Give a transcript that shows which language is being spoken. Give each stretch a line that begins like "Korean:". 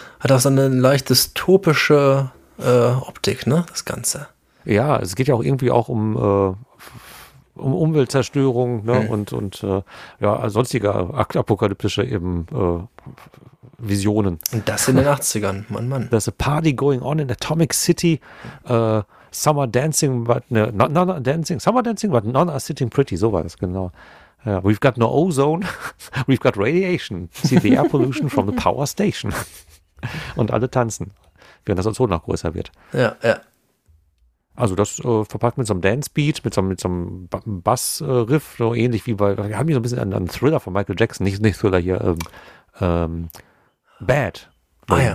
German: Hat auch so eine leicht dystopische Optik, ne, das Ganze. Ja, es geht ja auch irgendwie auch um Umweltzerstörung, ne, und sonstige apokalyptische eben Visionen. Und das in den 80ern, Mann.
English: There's a party going on in Atomic City, summer dancing, but none are sitting pretty,
German: so war das, genau.
English: Yeah, we've got no ozone, we've got radiation, see the air pollution from the power station.
German: Und alle tanzen, während das Ozon noch größer wird. Ja. Also das verpackt mit so einem Dancebeat, mit so einem Bass-Riff, so ähnlich wie bei, wir haben hier so ein bisschen an Thriller von Michael Jackson, nicht Thriller hier, Bad Ah ja.